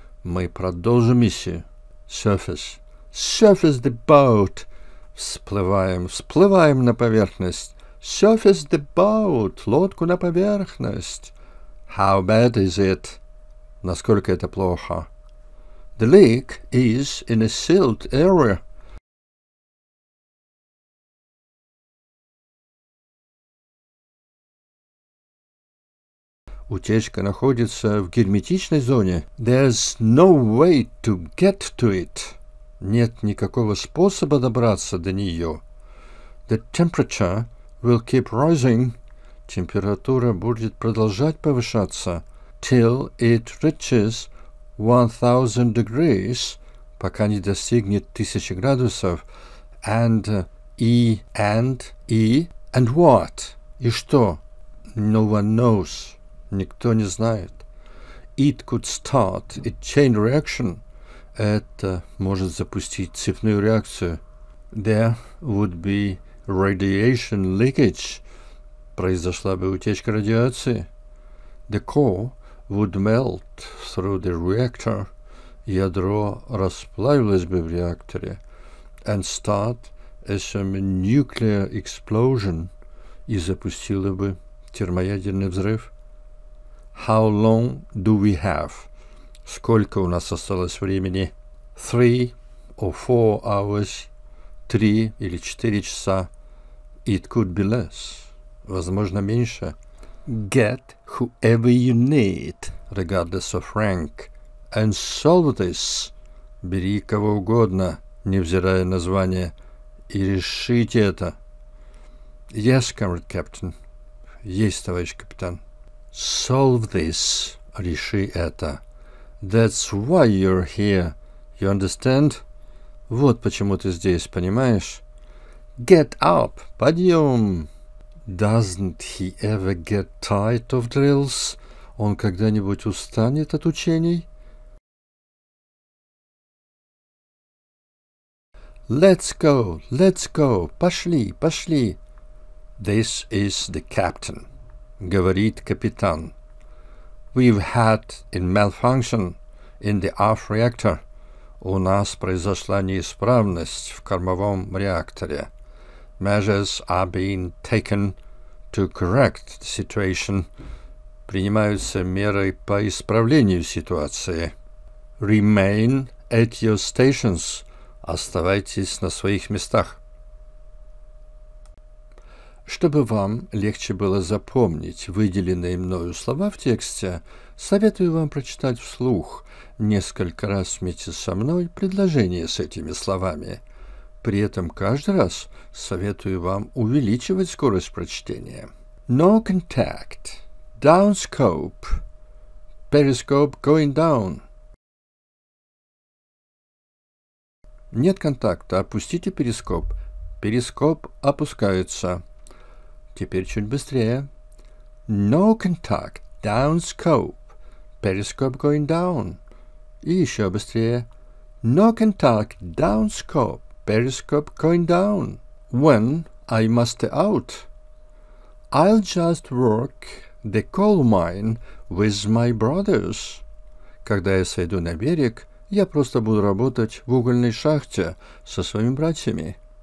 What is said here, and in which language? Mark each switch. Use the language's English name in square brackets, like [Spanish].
[Russian] Мы продолжим миссию. [English] Surface. Surface the boat. [Russian] Всплываем, всплываем на поверхность. [English] Surface the boat. [Russian] Лодку на поверхность. [English] How bad is it? [Russian] Насколько это плохо? [English] The leak is in a sealed area. [Russian] Утечка находится в герметичной зоне. [English] There's no way to get to it. [Russian] Нет никакого способа добраться до нее. [English] The temperature will keep rising. [Russian] Температура будет продолжать повышаться. [English] Till it reaches 1000 degrees. [Russian] Пока не достигнет 1000 градусов. [English] And what? [Russian] И что? [English] No one knows. [Russian] Никто не знает. [English] It could start a chain reaction. [Russian] Это может запустить цепную реакцию. [English] There would be radiation leakage. [Russian] Произошла бы утечка радиации. [English] The core would melt through the reactor. [Russian] Ядро расплавилось бы в реакторе. [English] And start a nuclear explosion. [Russian] И запустила бы термоядерный взрыв. [English] How long do we have? [Russian] Сколько у нас осталось времени? [English] 3 or 4 hours. [Russian] 3 или 4 часа. [English] It could be less. [Russian] Возможно, меньше. [English] Get whoever you need, regardless of rank, and solve this. [Russian] Бери кого угодно, невзирая на звание, и решите это. [English] Yes, comrade captain. [Russian] Есть, товарищ капитан. [English] Solve this. [Russian] Реши это. [English] That's why you're here. You understand? [Russian] Вот почему ты здесь, понимаешь? [English] Get up. [Russian] Подъем. [English] Doesn't he ever get tired of drills? [Russian] Он когда-нибудь устанет от учений? [English] Let's go. Let's go. [Russian] Пошли, пошли. [English] This is the captain. [Russian] Говорит капитан. [English] We've had a malfunction in the aft reactor. [Russian] У нас произошла неисправность в кормовом реакторе. [English] Measures are being taken to correct the situation. [Russian] Принимаются меры по исправлению ситуации. [English] Remain at your stations. [Russian] Оставайтесь на своих местах. Чтобы вам легче было запомнить выделенные мною слова в тексте, советую вам прочитать вслух несколько раз вместе со мной предложение с этими словами. При этом каждый раз советую вам увеличивать скорость прочтения. [English] No contact. Downscope. Periscope going down. [Russian] Нет контакта. Опустите перископ. Перископ опускается. Теперь чуть быстрее. [English] No contact. Downscope. Periscope going down. [Russian] И еще быстрее. [English] No contact. Downscope. Periscope going down. When I must out. I'll just work the coal mine with my brothers. [Russian] Когда я сойду на берег, я просто буду работать в угольной шахте со своими братьями.